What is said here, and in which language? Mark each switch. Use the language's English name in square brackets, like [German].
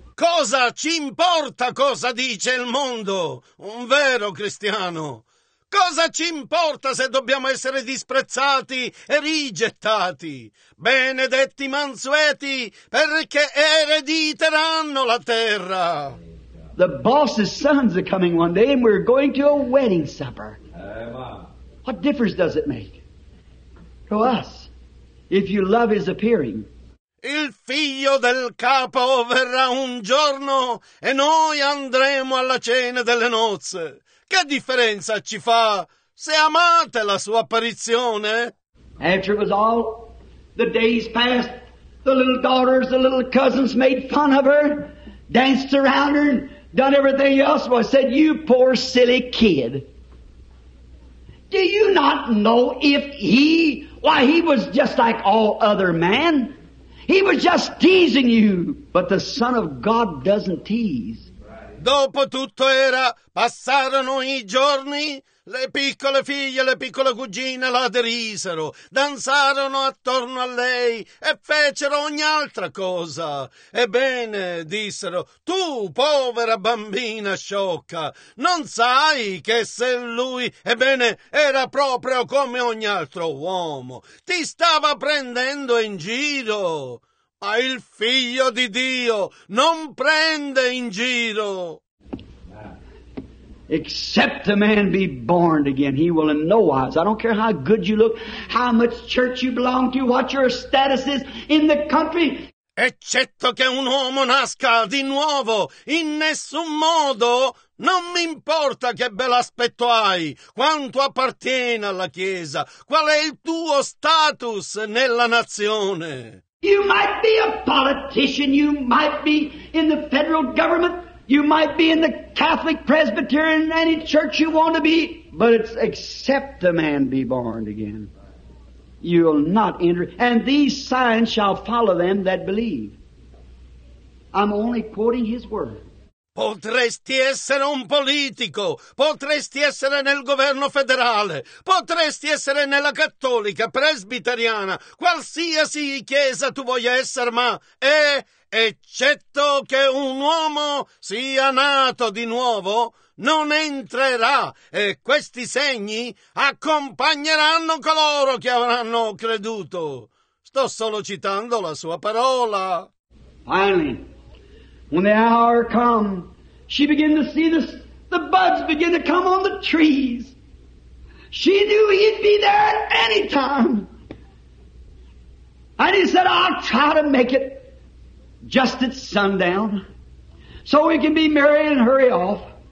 [Italian] Cosa ci importa cosa dice il mondo, un vero cristiano? Cosa ci importa se dobbiamo essere disprezzati e rigettati? Benedetti mansueti, perché erediteranno la terra. [English] The boss's sons are coming one day and we're going to a wedding supper. What difference does it make to us if you love his appearing? [Italian] Il figlio del capo verrà un giorno e noi andremo alla cena delle nozze. Che differenza ci fa se amate la sua apparizione? [English] After it was all, the days passed, the little daughters, the little cousins made fun of her, danced around her, done everything else, but said, you poor silly kid. Do you not know if he, why he was just like all other men? He was just teasing you, but the Son of God doesn't tease. [Italian] Dopo tutto era, passarono i giorni, le piccole figlie e le piccole cugine la derisero, danzarono attorno a lei e fecero ogni altra cosa. Ebbene, dissero, tu, povera bambina sciocca, non sai che se lui, ebbene, era proprio come ogni altro uomo, ti stava prendendo in giro. Ma il figlio di Dio non prende in giro. [English] Except a man be born again, he will in no wise. I don't care how good you look, how much church you belong to, what your status is in the country. [Italian] Eccetto che un uomo nasca di nuovo, in nessun modo, non mi importa che bell'aspetto hai, quanto appartiene alla Chiesa, qual è il tuo status nella nazione. [English] You might be a politician, you might be in the federal government, you might be in the Catholic, Presbyterian, any church you want to be, but it's except a man be born again. You'll not enter. And these signs shall follow them that believe. I'm only quoting his word. [Italian] Potresti essere un politico, potresti essere nel governo federale, potresti essere nella cattolica, presbiteriana, qualsiasi chiesa tu voglia essere, ma è eccetto che un uomo sia nato di nuovo, non entrerà e questi segni accompagneranno coloro che avranno creduto. Sto solo citando la sua parola. [English] Finally, when the hour come, she began to see the buds begin to come on the trees. She knew he'd be there at any time. And he said, I'll try to make it just at sundown so we can be merry and hurry off.